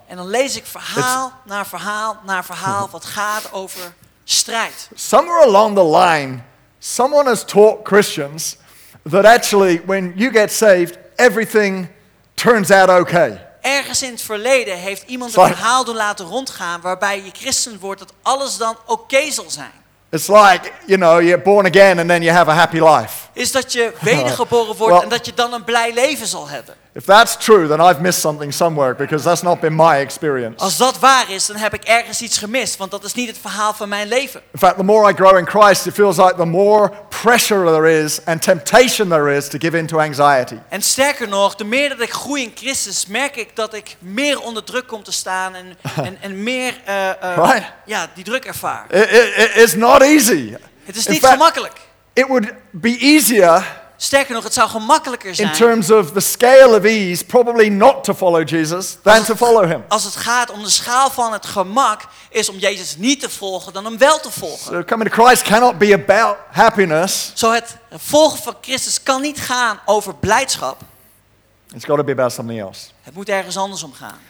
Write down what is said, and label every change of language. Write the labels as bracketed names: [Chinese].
[Dutch] En dan lees ik verhaal na verhaal na verhaal wat gaat over strijd. [English] Somewhere along the line, someone has taught Christians that actually when you get saved, everything turns out okay. [Dutch] Ergens in het verleden heeft iemand een verhaal doen laten rondgaan waarbij je christen wordt dat alles dan oké zal zijn. [English] It's like, you know, you're born again and then you have a happy life. [Dutch] Is dat je wedergeboren wordt en dat je dan een blij leven zal hebben? [English] If that's true, then I've missed something somewhere because that's not been my experience. [Dutch] Als dat waar is, dan heb ik ergens iets gemist, want dat is niet het verhaal van mijn leven. [English] In fact, the more I grow in Christ, it feels like the more pressure there is and temptation there is to give in to anxiety. [Dutch] En sterker nog, de meer dat ik groei in Christus, merk ik dat ik meer onder druk kom te staan en meer [English] right? [Dutch] Ja, die druk ervaar. [English] It's not easy. [Dutch] Het is niet gemakkelijk. [English] It would be easier. [Dutch] Sterker nog, het zou gemakkelijker zijn. [English] In terms of the scale of ease, probably not to follow Jesus than to follow him. [Dutch] Als het gaat om de schaal van het gemak, is om Jezus niet te volgen dan hem wel te volgen. [English] So coming to Christ cannot be about happiness. [Dutch] Zo het volgen van Christus kan niet gaan over blijdschap. [English] It's got to be about something else. [Dutch] Het moet ergens anders om gaan.